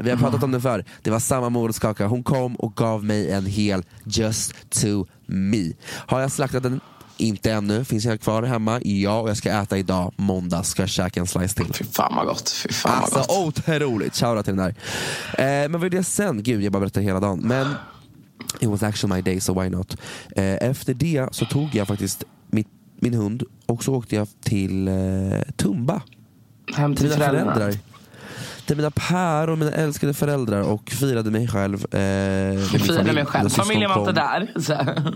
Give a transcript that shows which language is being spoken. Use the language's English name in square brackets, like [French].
[Swedish] Vi har pratat om den förr. Det var samma morotskaka. Hon kom och gav mig en hel [English] just to me. [Swedish] Har jag slaktat den? Inte ännu. Finns jag kvar hemma? Ja, och jag ska äta idag. Måndag ska jag käka en slice till. Fy fan vad gott. Alltså otroligt. Tjaura till den där. Men vad är det sen? Gud, jag bara berättar hela dagen. [English] Men it was actually my day, so why not? [Swedish] Efter det så tog jag faktiskt min hund och så åkte jag till Tumba. Hem till mina föräldrar. Till mina pär och mina älskade föräldrar och firade mig själv. Firade mig själv. Familjen var inte där. Så.